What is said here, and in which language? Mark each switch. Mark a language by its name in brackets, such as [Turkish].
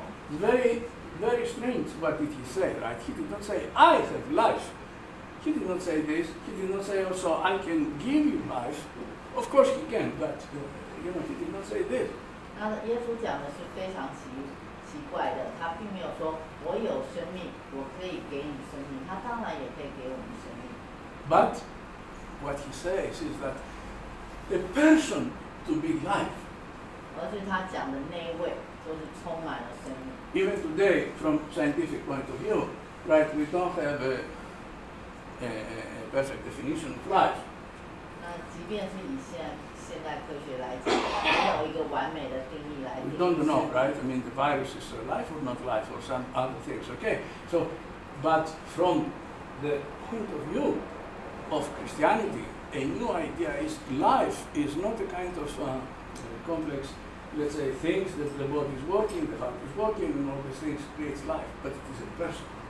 [English] Very, very strange what did he say, right? He did not say, I have life. He did not say this. He did not say also, I can give you life. Of course he can, but you know, he did not say this. [Chinese] 那耶稣讲的是非常奇怪的，他并没有说我有生命，我可以给你生命。他当然也可以给我们生命。 [English] But what he says is that,The person to be life. [Chinese] 而是他讲的那一位，就是充满了生命。 [English] Even today, from scientific point of view, right, we don't have a perfect definition of life. [Chinese] 那即便是以现代科学来讲，没有一个完美的定义来定义。 [English] We don't know, right? I mean, the virus is life or not life or some other things. Okay, so, but from the point of view of Christianity. A new idea is life is not a kind of complex, let's say, things that the body is working, the heart is working, and all these things creates life, but it is a person.